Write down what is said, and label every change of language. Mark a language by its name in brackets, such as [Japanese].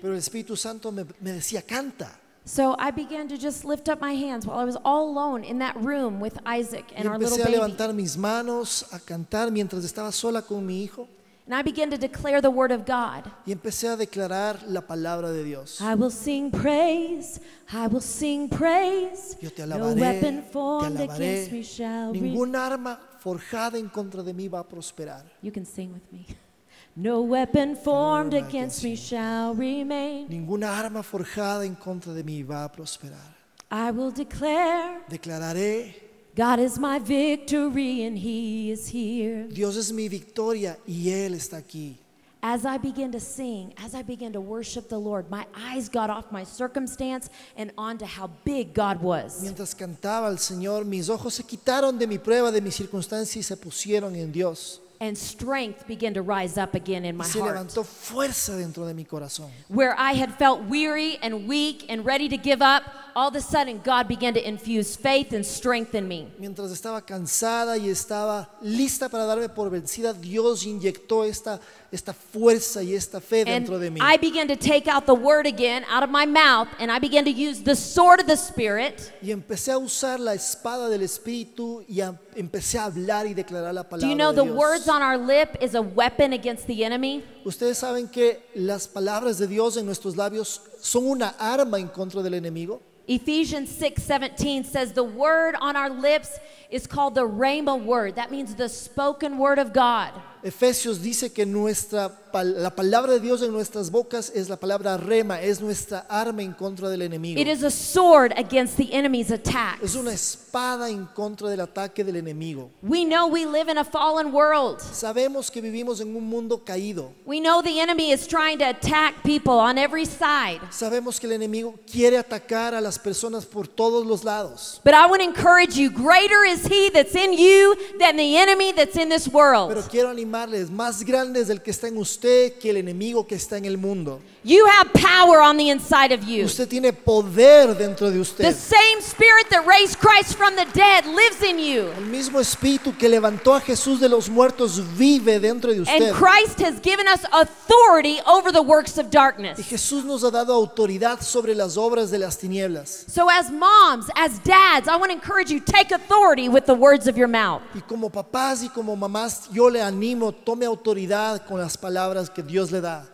[Spanish] Pero el Espíritu Santo me decía, canta. [English] So I began to just lift up my hands while I was all alone in that room with Isaac and our little baby. [Spanish] Y empecé a levantar mis manos, a cantar mientras estaba sola con mi hijo. [English] And I began to declare the word of God. [Spanish] Y empecé a declarar la palabra de Dios. [English] I will sing praise. I will sing praise. [Spanish] Yo te alabaré. [English] No weapon formed against me shall prosper. [Spanish] Ningún arma forjada en contra de mí va a prosperar. [English] You can sing with me. No weapon formed against me shall remain. [Spanish] Ninguna arma forjada en contra de mí va a prosperar. [English] I will declare. [Spanish] Declararé. [English] God is my victory and he is here. [Spanish] Dios es mi victoria y él está aquí. [English] As I began to sing, as I began to worship the Lord, my eyes got off my circumstance and onto how big God was. [Spanish] Mientras cantaba al Señor, mis ojos se quitaron de mi prueba, de mi circunstancia y se pusieron en Dios. [English] And strength began to rise up again in my heart. [Spanish] Se levantó fuerza dentro de mi corazón. [English] Where I had felt weary and weak and ready to give up, all of a sudden God began to infuse faith and strength in me. [Spanish] Mientras estaba cansada y estaba lista para darme por vencida, Dios inyectó esta fuerza y esta fe dentro de mí. [English] And I began to take out the word again out of my mouth, and I began to use the sword of the Spirit. [Spanish] Y empecé a usar la espada del Espíritu y empecé a hablar y declarar la palabra. [English] Do you know [Spanish] de Dios. [English] The words on our lip is a weapon against the enemy? [Spanish] ¿Ustedes saben que las palabras de Dios en nuestros labios son una arma en contra del enemigo? [English] Ephesians 6:17 says the word on our lips is called the rhema word. That means the spoken word of God. [Spanish] Efesios dice que la palabra de Dios en nuestras bocas es la palabra rhema, es nuestra arma en contra del enemigo. [English] It is a sword against the enemy's attack. [Spanish] Es una espada en contra del ataque del enemigo. [English] We know we live in a fallen world. [Spanish] Sabemos que vivimos en un mundo caído. [English] We know the enemy is trying to attack people on every side. [Spanish] Sabemos que el enemigo quiere atacar a las personas por todos los lados. [English] But I want to encourage you, greater is he that's in you than the enemy that's in this world. [Spanish] Pero quiero animarles, más grande es el que está en usted que el enemigo que está en el mundo. [English] You have power on the inside of you. [Spanish] Usted tiene poder dentro de usted. [English] The same spirit that raised Christ from the dead lives in you. [Spanish] El mismo espíritu que levantó a Jesús de los muertos vive dentro de usted. [English] And Christ has given us authority over the works of darkness. [Spanish] Y Jesús nos ha dado autoridad sobre las obras de las tinieblas. [English] So as moms, as dads, I want to encourage you, take authority with the words of your mouth. [Spanish] Y como papás y como mamás, yo le animo, tome autoridad con las palabras que Dios le da.